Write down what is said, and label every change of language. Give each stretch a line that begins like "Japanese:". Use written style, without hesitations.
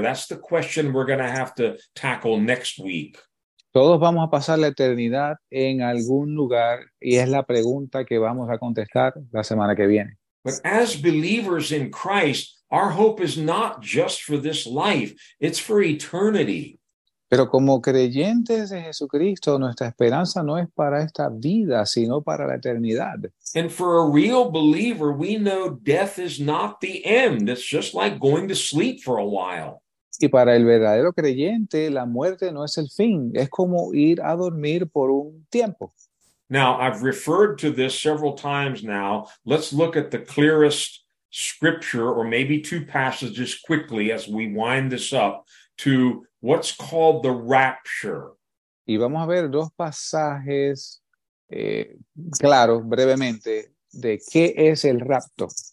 English: That's the question we're going to have to tackle next week.
Spanish: Todos vamos a pasar la eternidad en algún lugar y es la pregunta que vamos a contestar la semana que viene.
English: But as believers in Christ, our hope is not just for this life, it's for eternity.
Spanish: Pero como creyentes de Jesucristo, nuestra esperanza no es para esta vida, sino para la eternidad.
English: And for a real believer, we know death is not the end. It's just like going to sleep for a while.
Spanish: Y para el verdadero creyente, la muerte no es el fin. Es como ir a dormir por un tiempo.
English: Now, I've referred to this several times now. Let's look at the clearest scripture or maybe two passages quickly as we wind this up to what's called the rapture.
Spanish: Y vamos a ver dos pasajes claros, brevemente, de qué es el rapto.